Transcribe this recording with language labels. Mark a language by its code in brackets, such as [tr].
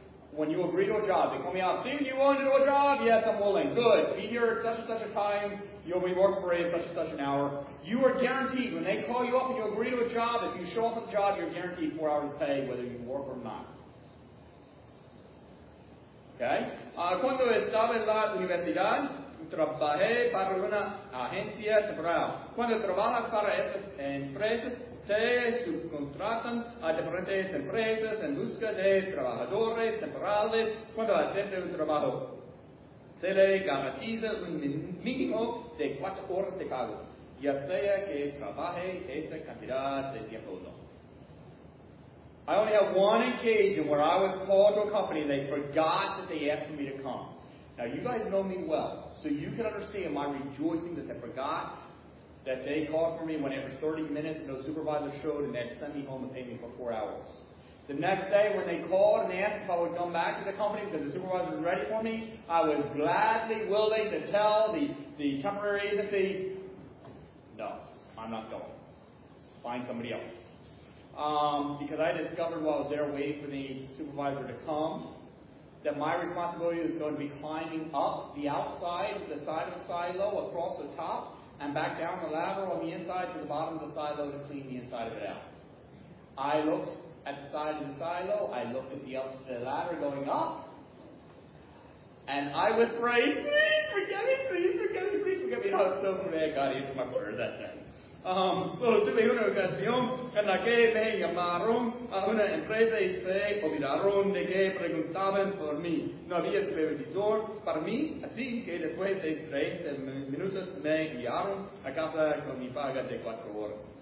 [en] When you agree to a job, they call me out, Steven, you want to do a job? Yes, I'm willing. Good. Be here at such and such a time. You'll be working for it at such and such an hour. You are guaranteed, when they call you up and you agree to a job, if you show up at the job, you're guaranteed 4 hours of pay, whether you work or not. Okay. [es] Cuando estaba en la universidad, trabajé para una agencia temporal. Cuando trabajas para esa empresa, te subcontratan a diferentes empresas en busca de trabajadores temporales. Cuando aceptas un trabajo, se le garantiza un mínimo de 4 horas de pago, ya sea que trabaje esta cantidad de tiempo o no. [en] I only have one occasion where I was called to a company and they forgot that they asked me to come. Now, you guys know me well, so you can understand my rejoicing that they forgot that they called for me when every 30 minutes no supervisor showed and they sent me home and paid me for 4 hours. The next day when they called and asked if I would come back to the company because the supervisor was ready for me, I was gladly willing to tell the temporary agency, no, I'm not going. Find somebody else. Because I discovered while I was there waiting for the supervisor to come that my responsibility was going to be climbing up the outside, the side of the silo, across the top, and back down the ladder on the inside to the bottom of the silo to clean the inside of it out. I looked at the side of the silo, I looked at the outside of the ladder going up, and I was praying, please forgive me, please forgive me, please forgive me. And I was so mad God answered my prayer that day. [es] Solo tuve una ocasión en la que me llamaron a una empresa y se olvidaron de que preguntaban por mí. No había supervisor para mí, así que después de 30 minutos me guiaron a casa con mi paga de 4 horas.